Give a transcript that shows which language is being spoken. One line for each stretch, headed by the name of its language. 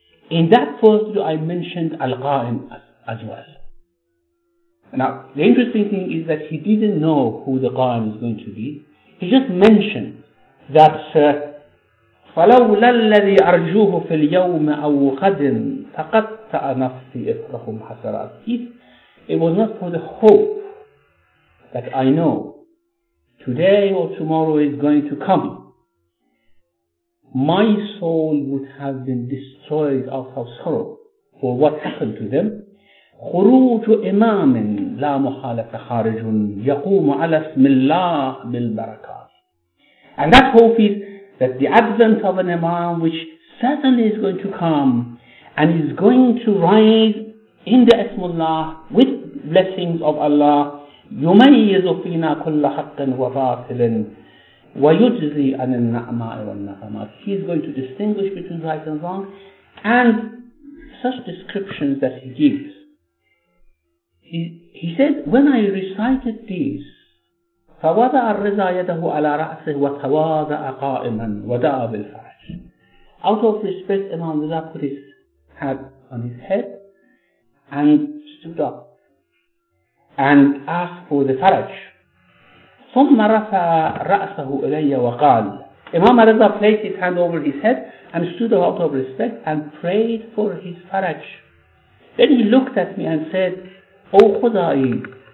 English: In that poetry, I mentioned Al-Qa'im as well. Now, the interesting thing is that he didn't know who the Qa'im is going to be. He just mentioned that,
Arabic: فَلَوْلَا الَّذِي أَرْجُوهُ فِي الْيَوْمِ أَوْ غَدٍ تَقَطَّعَ نَفْسِي إِفْرَهُمْ حَسَرَاتٍ.
English: It was not for the hope that I know today or tomorrow is going to come, my soul would have been destroyed out of sorrow for what happened to them.
Arabic: خُرُوجُ إِمَامٍ لَا مُحَالَةَ خَارِجٌ يَقُومُ عَلَى اسْمِ اللَّهِ بِالْبَرَكَاتِ.
English: And that hope is that the advent of an Imam, which certainly is going to come and is going to rise in the Ismullah with blessings of Allah,
Arabic: يُمَيِّزُ فِينا كُلَّ حَقٍ وَبَاطِلٍ وَيُجْزِي عَنِ النَّعْمَاءِ وَالنَّقَمَاتِ.
English: He is going to distinguish between right and wrong. And such descriptions that he gives. He said, when I recited these,
Arabic: فَوَضَعَ الرِّضَى يَدَهُ عَلَى رَأْسِهِ وَتَوَاضَعَ قَائِمًا وَدَعَ بِالْفَرَجِ.
English: Out of respect, Imam Reza put his hat on his head and stood up and asked for the faraj.
Arabic: ثُمَّ رَفَى رَأْسَهُ إِلَيَّ وَقَالَ.
English: Imam Reza placed his hand over his head and stood out of respect and prayed for his faraj. Then he looked at me and said, O Khudai,